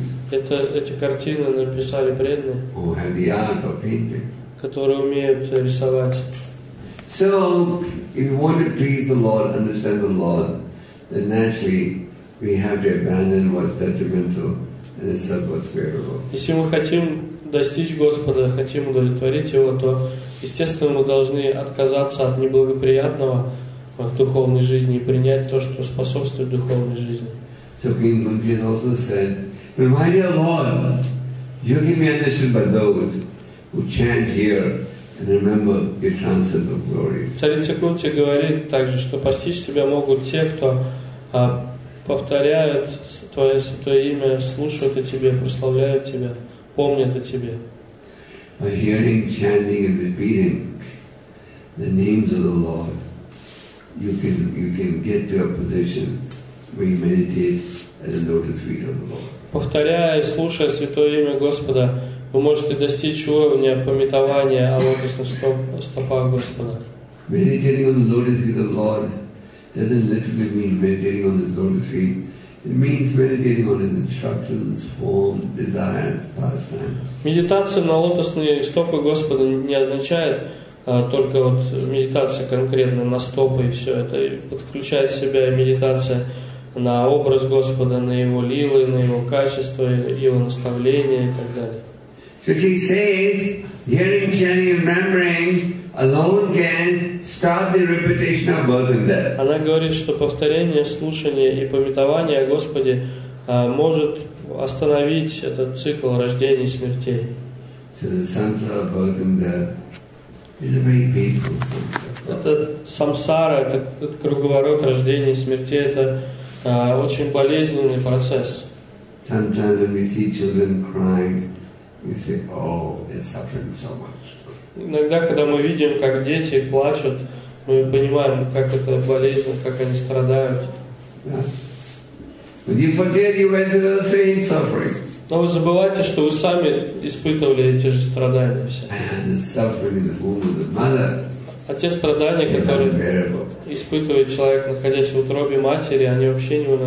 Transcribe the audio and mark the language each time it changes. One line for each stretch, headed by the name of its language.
Russian: Это эти картины написали преданные, которые умеют рисовать.
English: So, if you want to please the Lord, understand the Lord, then naturally we have to abandon what's detrimental and accept what's favorable.
Russian: Если мы хотим достичь Господа, хотим удовлетворить Его, то естественно мы должны отказаться от неблагоприятного в духовной жизни и принять то, что способствует духовной жизни.
English: So King Kunti also said, but my dear Lord, you can be understood by those who chant here and remember your transcendental glory.
Russian: Царица Кунти говорит также, что постичь себя могут те, кто повторяют твое святое имя, слушают о тебе, прославляют тебя, помнят о тебе.
English: By hearing, chanting and repeating the names of the Lord, you can get to a position where you meditate at the lotus feet of the Lord.
Russian: Повторяя и слушая святое имя Господа, вы можете достичь уровня памятования о лотосных стопах Господа.
English: Meditating on the lotus feet of the Lord doesn't literally mean meditating on his lotus feet. It means meditating on his instructions, form, desire, pastimes.
Russian: Медитация на лотосные стопы Господа не означает только вот медитация конкретно на стопы и все это. Подключает в себя медитация на образ Господа, на Его лилы, на Его качество, Его наставления и так далее.
English: So she says, hearing, chanting, and remembering alone can stop the repetition of birth and death.
Russian: Она говорит, что повторение, слушание и памятование о Господе может остановить этот цикл рождения и смертей.
English: So the samsara of birth and death is a very painful thing.
Russian: Это самсара, это круговорот рождения и смерти, это очень болезненный процесс.
English: Sometimes when we see children crying, we say, "Oh, they're suffering so much."
Russian: Иногда, когда мы видим, как дети плачут, мы понимаем, как это болезненно, как они страдают.
English: But you forget you went through the same suffering.
Russian: Но вы забываете, что вы сами испытывали те же страдания все.
English: And the suffering in the womb of the mother.
Russian: А те страдания, которые испытывает человек, находясь в утробе матери, они вообще